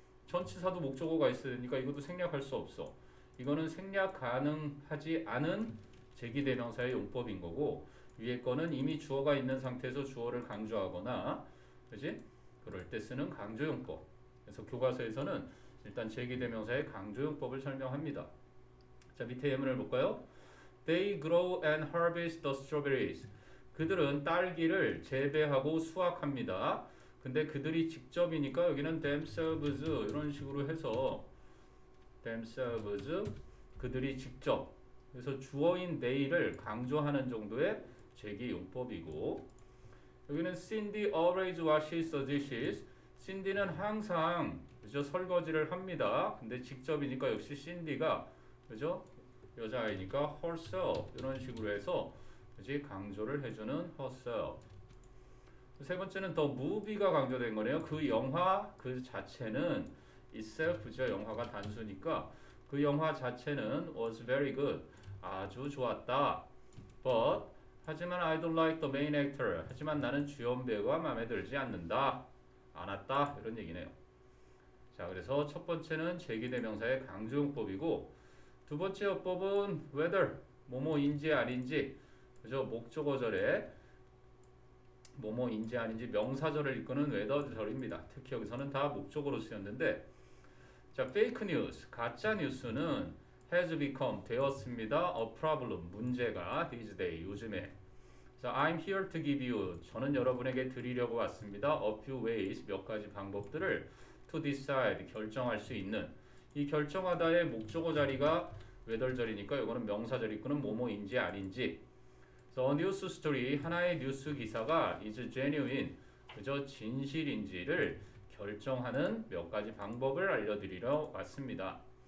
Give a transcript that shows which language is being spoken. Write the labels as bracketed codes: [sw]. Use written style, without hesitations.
[ko] 전치사도 목적어가 있어야 되니까 이것도 생략할 수 없어. 이거는 생략 가능하지 않은 제기대명사의 용법인 거고, 위에 거는 이미 주어가 있는 상태에서 주어를 강조하거나, 그지? 그럴 때 쓰는 강조용법. 그래서 교과서에서는 일단 제기대명사의 강조용법을 설명합니다. 자, 밑에 예문을 볼까요? [en] They grow and harvest the strawberries. [ko] 그들은 딸기를 재배하고 수확합니다. 근데 그들이 직접이니까 여기는 themselves 이런 식으로 해서 themselves 그들이 직접 그래서 주어인 they를 강조하는 정도의 제기 용법이고 여기는 [en] Cindy always washes the dishes. [ko] Cindy는 항상 그죠 설거지를 합니다. 근데 직접이니까 역시 Cindy가 그죠 여자아이니까 herself 이런 식으로 해서 그지 강조를 해주는 herself. 세 번째는 더 무비가 강조된 거네요. 그 영화 그 자체는 itself죠. 영화가 단수니까 그 영화 자체는 [en] was very good. [ko] 아주 좋았다. [en] But [ko] 하지만 [en] I don't like the main actor. [ko] 하지만 나는 주연 배우가 마음에 들지 않는다. 않았다. 이런 얘기네요. 자, 그래서 첫 번째는 제기대명사의 강조용법이고 두 번째 어법은 whether 뭐뭐인지 아닌지 그죠 목적어절에 뭐뭐인지 아닌지 명사절을 이끄는 whether절입니다. 특히 여기서는 다 목적으로 쓰였는데, 자, fake news, 가짜 뉴스는 [en] has become [ko] 되었습니다. [en] A problem, [ko] 문제가 [en] these days [ko] 요즘에. [en] So I'm here to give you, [ko] 저는 여러분에게 드리려고 왔습니다. [en] A few ways, [ko] 몇 가지 방법들을 [en] to decide, [ko] 결정할 수 있는 이 결정하다의 목적어 자리가 whether절이니까 이거는 명사절 이끄는 뭐뭐인지 아닌지. [en] So, a news story, [ko] 하나의 뉴스 기사가 [en] is genuine, [ko] 그저 진실인지를 결정하는 몇 가지 방법을 알려드리러 왔습니다.